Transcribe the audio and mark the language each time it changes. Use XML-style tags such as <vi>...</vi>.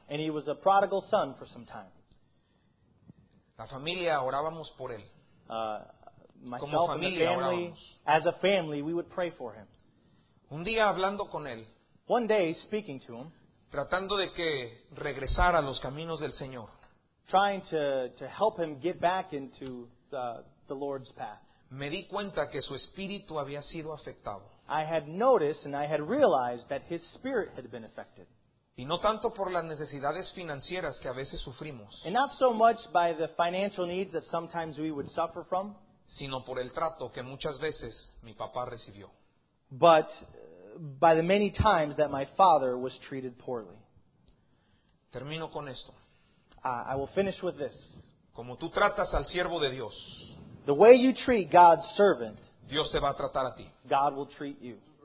<en>And he was a prodigal son for some time.</en> <es>La familia orábamos por él. Como familia orábamos.</es> <en>As a family, we would pray for him.</en> <es>Un día hablando con él.</es> <en>One day, speaking to him.</en> <es>Tratando de que regresara a los caminos del Señor.</es> <en>Trying to help him get back into the Lord's path.</en> <es>Me di cuenta que su espíritu había sido afectado.</es> <en>I had noticed and I had realized that his spirit had been affected.</en> <es>Y no tanto por las necesidades financieras que a veces sufrimos.</es> <en>And not so much by the financial needs that sometimes we would suffer from.</en> <es>Sino por el trato que muchas veces mi papá recibió.</es> <en>But by the many times that my father was treated poorly.</en> <es>Termino con esto.</es> <en>I will finish with this.</en> <es>Como tú tratas al siervo de Dios.</es> <en>The way you treat God's servant,</en> <es>Dios te va a tratar a ti.</es> <en>God will treat you.</en>